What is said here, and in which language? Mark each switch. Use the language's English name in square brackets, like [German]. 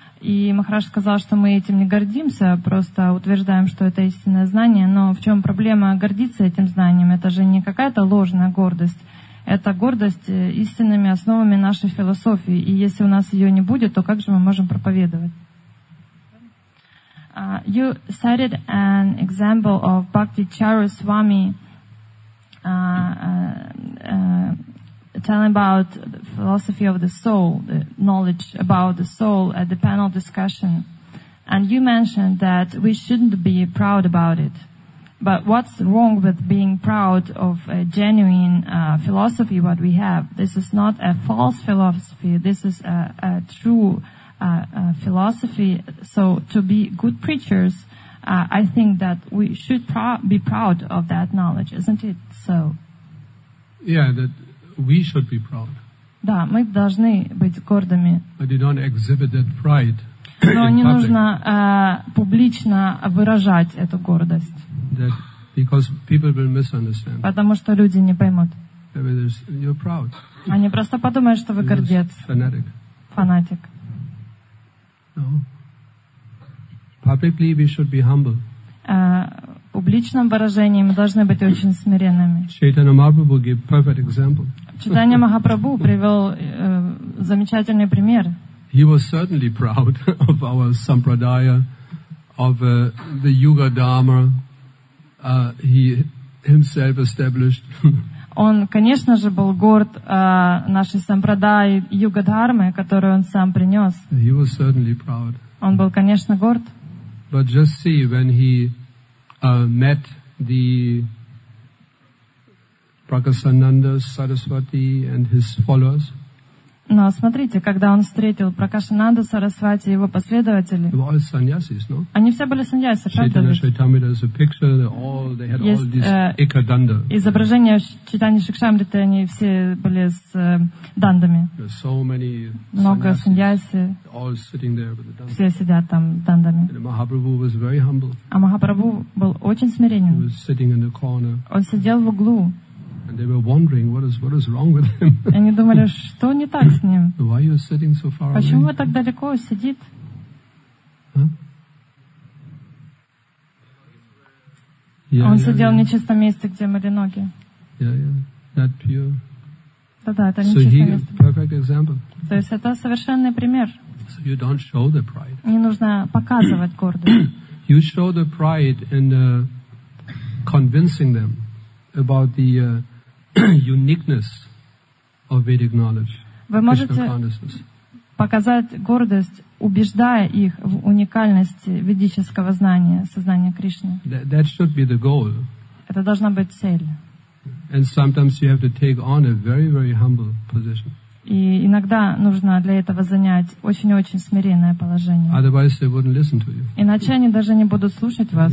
[Russian] И Махарадж сказал, что мы этим не гордимся, просто утверждаем, что это истинное знание. Но в чем проблема гордиться этим знанием? Это же не какая-то ложная гордость. Это гордость истинными основами нашей философии. И если у нас ее не будет, то как же мы можем проповедовать? [English] You cited an example of Bhaktacharya Swami telling about the philosophy of the soul, the knowledge about the soul at the panel discussion. And you mentioned that we shouldn't be proud about it. But what's wrong with being proud of a genuine philosophy, what we have? This is not a false philosophy, this is a true philosophy. So to be good preachers, I think that we should be proud of that knowledge, isn't it so? Yeah, that we should be proud. [Russian] Да, мы должны быть гордыми. [English] But you don't exhibit that pride. [Russian] Но не нужно публично выражать эту гордость. [English] That because people will misunderstand. [Russian] Потому что люди не поймут. [English] You're proud. [Russian] Они просто подумают, что вы гордец. [English] Fanatic. [Russian] Фанатик. [English] No. Publicly we should be humble. [Russian] Публичном выражении мы должны быть очень смиренными. [English] Чайтанья Махапрабху gave perfect example. [Russian] Чайтанья Махапрабху привел замечательный пример. [English] He was certainly proud of our sampradaya, of the Yuga Dharma he himself established. [Russian] Он, конечно же, был горд нашей сампрадаи Юга-дхармы, которую он сам принес. [English] He was certainly proud. [Russian] Он был, конечно, горд. [English] But just see, when he met the Prakasananda, Saraswati and his followers. [Russian] Но смотрите, когда он встретил Пракашананду Сарасвати и его последователи, они все были саньясы, правда? Есть изображение Чайтаньи Шикшамриты, они все были с дандами. Много саньясы, все сидят там с дандами. А Махапрабху был очень смиренен. Он сидел в углу. [English] And they were wondering what is wrong with him. [Russian] Они думали, что не так с ним. [English] Why are you sitting so far away? [Russian] Почему вы так далеко сидит? Он сидел в нечистом месте, где мыли ноги. [English] Not pure. [Russian] Да, это нечистое место. [English] Perfect example. [Russian] То есть это совершенный пример. [English] So you don't show the pride. [Russian] Не нужно показывать гордость. [English] You show the pride in convincing them about the uniqueness of Vedic knowledge. [Russian] Вы можете показать гордость, убеждая их в уникальности ведического знания, сознания Кришны. [English] That should be the goal. [Russian] Это должна быть цель. [English] And sometimes you have to take on a very, very humble position. [Russian] И иногда нужно для этого занять очень-очень смиренное положение. [English] Otherwise they wouldn't listen to you. [Russian] Иначе они даже не будут слушать вас.